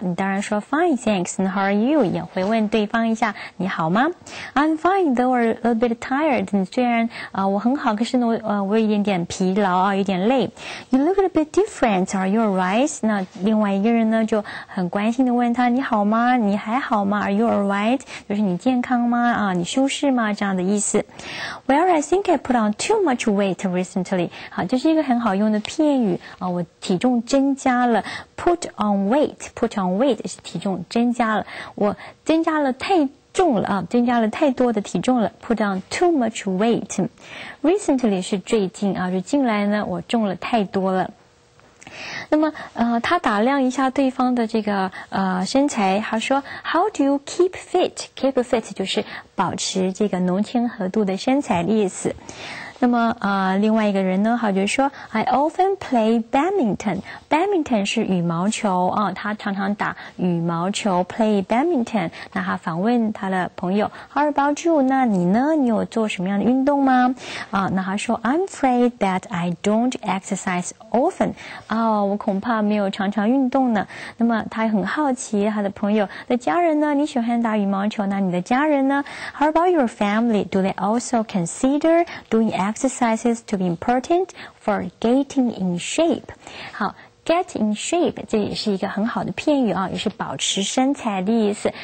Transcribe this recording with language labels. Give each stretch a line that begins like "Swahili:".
Chinese: 你当然说
English: Fine, thanks. And how are you？
Chinese: 也会问对方一下，你好吗
English: ？I'm fine, though a little bit tired.
Chinese: 你虽然我很好，可是呢我有一点点疲劳啊，有点累。
English: You look a bit different. Are you alright？
Chinese: 那另外一个人呢就很关心的问他，你好吗？你还好吗 ？
English: Are you alright？
Chinese: 就是你健康吗？啊，你休息吗？这样的意思。
English: Well, I think I put on too much weight recently.
Chinese: 好，这是一个很好用的片语啊，我体重增加了。
English: Put on weight, put on weight
Chinese: 是体重增加了，我增加了太重了啊，增加了太多的体重了。
English: Put on too much weight.
Chinese: Recently 是最近啊，就近来呢，我重了太多了。那么他打量一下对方的这个身材，他说
English: How do you keep fit?
Chinese: Keep fit 就是保持这个浓纤合度的身材的意思。那么另外一个人呢，他就说
English: I often play badminton.
Chinese: Badminton 是羽毛球啊，他常常打羽毛球
English: play badminton.
Chinese: 那他访问他的朋友
English: How about you?
Chinese: 那你呢，你有做什么样的运动吗？那他说
English: I'm afraid that I don't exercise often.
Chinese: 哦，我恐怕没有常常运动呢。那么他很好奇他的朋友的家人呢，你喜欢打羽毛球，那你的家人呢？
English: How about your family? Do they also consider doing exercises to be important for getting in shape?
Chinese: 好， get in shape 这也是一个很好的片语啊，也是保持身材的意思。